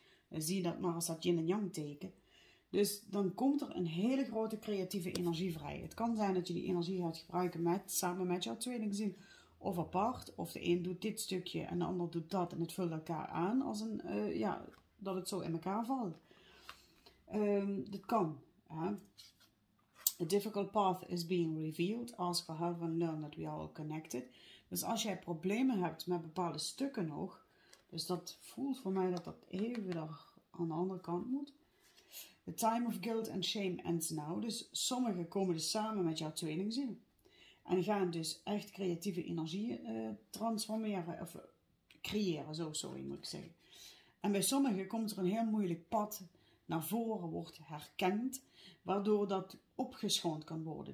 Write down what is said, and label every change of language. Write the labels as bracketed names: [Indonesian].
[Dutch] Zie dat maar als dat yin en yang teken. Dus dan komt er een hele grote creatieve energie vrij. Het kan zijn dat je die energie gaat gebruiken samen met jouw tweelingziel of apart. Of de een doet dit stukje en de ander doet dat en het vult elkaar aan als dat het zo in elkaar valt. Dat kan. Hè? [English] A difficult path is being revealed as we have and learn that we are all connected. [Dutch] Dus als jij problemen hebt met bepaalde stukken nog, dus dat voelt voor mij dat dat even daar aan de andere kant moet. [English] The time of guilt and shame ends now. [Dutch] Dus sommigen komen dus samen met jouw tweelingziel. En gaan dus echt creatieve energie transformeren. Of creëren, zo sorry moet ik zeggen. En bij sommigen komt er een heel moeilijk pad naar voren, wordt herkend. Waardoor dat opgeschoond kan worden.